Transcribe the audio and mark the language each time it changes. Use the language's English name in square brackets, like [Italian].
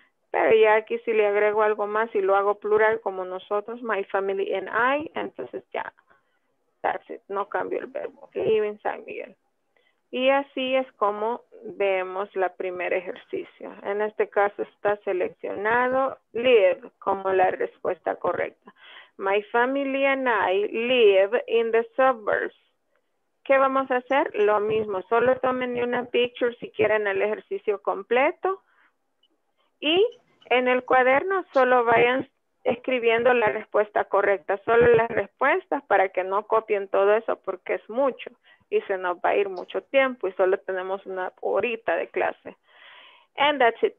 [Spanish] Pero ya aquí si le agrego algo más y lo hago plural como nosotros, [English] my family and I, [Spanish] entonces ya, [English] that's it, [Spanish] no cambio el verbo, [English] live in San Miguel. [Spanish] Y así es como vemos la primer ejercicio. En este caso está seleccionado live como la respuesta correcta. [English] My family and I live in the suburbs. [Spanish] ¿Qué vamos a hacer? Lo mismo. Solo tomen una picture si quieren el ejercicio completo. Y en el cuaderno solo vayan escribiendo la respuesta correcta. Solo las respuestas para que no copien todo eso porque es mucho. Y se nos va a ir mucho tiempo y solo tenemos una horita de clase. [English] And that's it.